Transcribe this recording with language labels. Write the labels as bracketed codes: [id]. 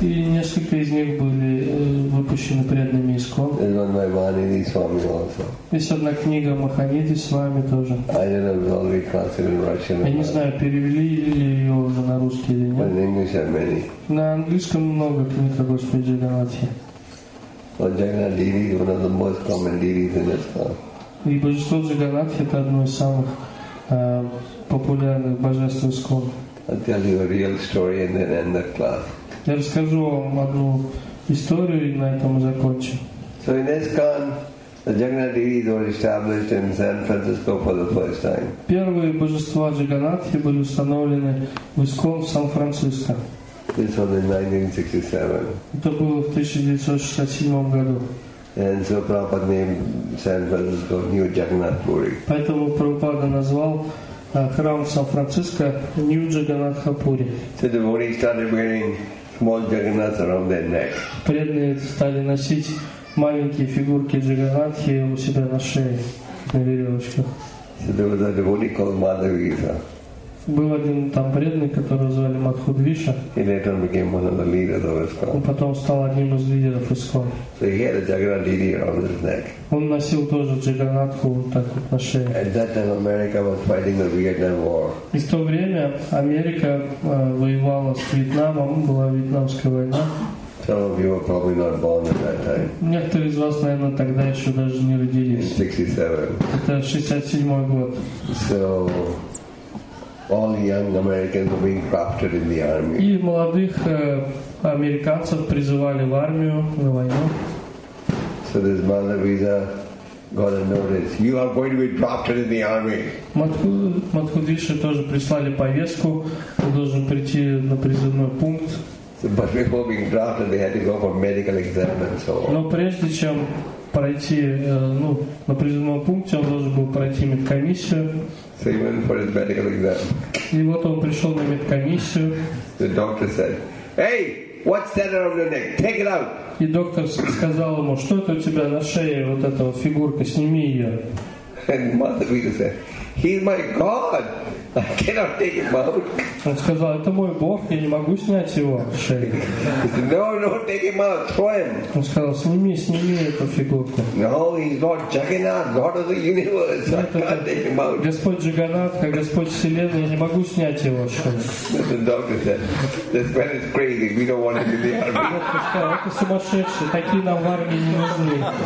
[ru] And несколько из них были выпущены преданными Искон. [en] There's one by Mahanidhi Swami also. [ru] Есть одна книга Маханиди Свами тоже. [en] I don't know if it's already translated in Russian. [ru] Я не знаю, перевели ли ее уже на русский или нет. [en] But in English there are many. [ru] На английском много книг о Господи Jagannath. [en] Well, Jagannath Devi is one of the most common deities in Iskcon. [ru] И божество Джаганнатхи — это одно из самых популярных божеств Искон. [en] I'll tell you a real story and then end the class. [ru] Я расскажу вам одну историю и на этом закончу. [en] So in Iskcon, the Jagannath deities were established in San Francisco for the first time. [ru] Первые божества Джаганнатхи были установлены в Искон в Сан-Франциско. [en] This was in 1967. [ru] Это было в 1967 году. [en] And so Prabhupada named San Francisco New Jagannath Puri. [ru] Поэтому Прабхупада назвал храм Сан-Франциско New Jagannath Puri. [en] So the devotees started wearing small Jagannaths around their necks. [ru] Преданные стали носить маленькие фигурки Джаганнатхи у себя на шее на веревочках. [en] So there was a devotee called Madhavisa. [ru] Был один там преданный, которого звали Мадхудвиша. [en] He later became one of the leaders of Iskcon. [ru] Он потом стал одним из лидеров Искон. [en] So he had a Jagannath deity around his neck. [ru] Он носил тоже Джаганнатху вот так вот на шее. [en] At that time America was fighting the Vietnam War. [ru] И в то время Америка воевала с Вьетнамом, была Вьетнамская война. [en] Some of you were probably not born at that time. [ru] Некоторые из вас, наверное, тогда еще даже не родились. [en] In 67. [ru] Это 67 год. [en] So all young Americans were being drafted in the army. [ru] И молодых американцев призывали в армию на войну. [en] So this Madhavisa Gotta know this. You are going to be drafted in the army. [ru] Матхудиши тоже прислали повестку. Он должен прийти на призывной пункт. [en] But before being drafted, they had to go for medical exam and so on. [ru] Но прежде чем пройти, ну, на призывном пункте, он должен был пройти медкомиссию. [en] So he went for his medical exam. [ru] И вот он пришел на медкомиссию. [en] The doctor said, "Hey, what's that around your neck? Take it out." [ru] И доктор сказал ему, что это у тебя на шее, вот эта вот фигурка, сними ее. [en] And Матхудиши said, "He's my God. I cannot take him out." [ru] Он сказал, это мой Бог, я не могу снять его с шеи. [en] He said, "No, no, take him out. Throw him." [ru] Он сказал, сними, сними эту фигурку. [en] No, he's not Jagannath, God of the universe. Нет, I can't take him out. [ru] Господь Джаганнат, как Господь Вселенной, я не могу снять его с шеи. [en] The doctor said, "This man is crazy. We don't want him in the army." [ru] Доктор сказал, это сумасшедший, такие нам в армии не нужны.